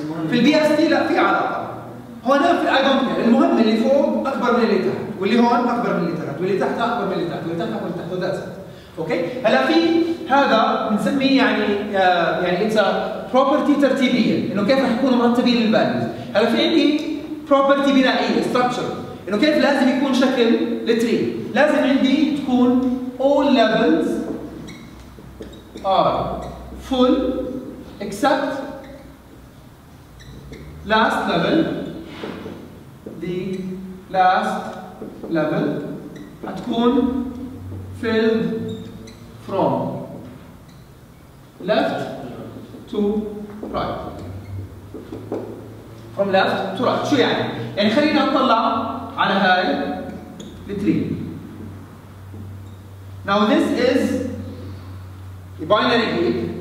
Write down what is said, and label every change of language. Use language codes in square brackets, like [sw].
[ar] في البي اس تي لا في علاقه. هون في [en] I don't care, [ar] المهم اللي فوق اكبر من اللي تحت، واللي هون اكبر من اللي تحت، واللي تحت اكبر من اللي تحت، واللي تحت اكبر من اللي تحت، [en] وذاتس ات. [ar] اوكي؟ هلا في هذا بنسميه يعني يعني [en] it's property [ar] ترتيبيه، انه كيف رح يكونوا مرتبين الفاليوز. هلا في عندي بروبرتي بنائيه ستراكشر، انه كيف لازم يكون شكل التري. لازم عندي تكون [en] all levels are full except last level. The last level [ar] حتكون [en] filled from left to right. From left to right [ar] شو يعني؟ يعني خلينا نطلع على هاي التري. [en] Now this is a binary heap.